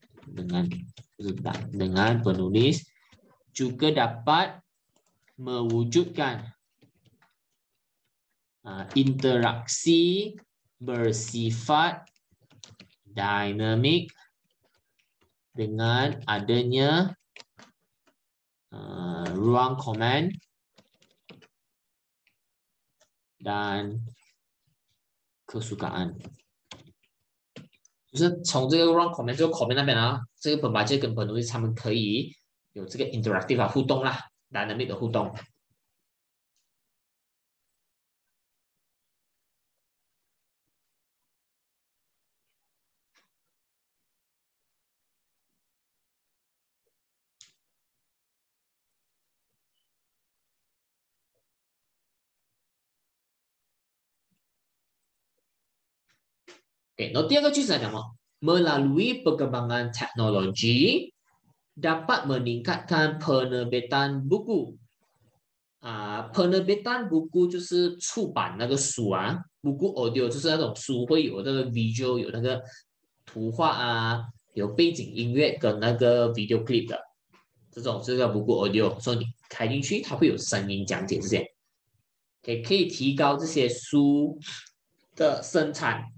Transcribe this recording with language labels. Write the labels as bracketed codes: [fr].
[ms] dengan penulis juga dapat mewujudkan interaksi bersifat dinamik dengan adanya ruang komen dan kesukaan. [zh] 就是从这个 wrong comment 这个 comment 那边啊，这个本来就跟本东西他们可以有这个 interactive 啊互动啦，dynamic 的互动。 [ms] Okay, [zh] 第二个句子讲什么？ [ms] Melalui perkembangan teknologi dapat meningkatkan penerbitan buku. [zh] Penerbitan buku 就是出版那个书啊，buku audio 就是那种书会有那个 visual 有那个图画啊，有背景音乐跟那个 video clip 的这种，这个 buku audio，所以你开进去它会有声音讲解这些，可以提高这些书的生产。